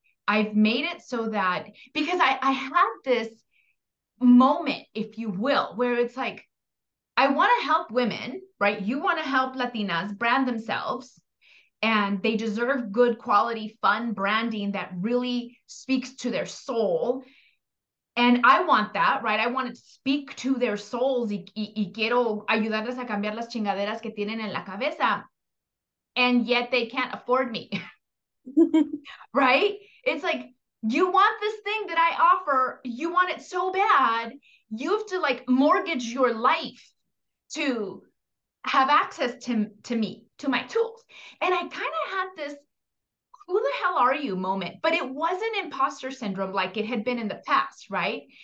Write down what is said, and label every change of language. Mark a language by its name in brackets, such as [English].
[English] I've made it so that because I had this moment, if you will, where it's like, I want to help women, right? You want to help Latinas brand themselves, and they deserve good quality, fun branding that really speaks to their soul. And I want that, right? I want it to speak to their souls. [Spanish] Y quiero ayudarles a cambiar las chingaderas que tienen en la cabeza. [English] And yet they can't afford me, right? It's like, you want this thing that I offer. You want it so bad. You have to like mortgage your life to have access to me, to my tools. And I kind of had this, who the hell are you moment, but it wasn't imposter syndrome like it had been in the past, right?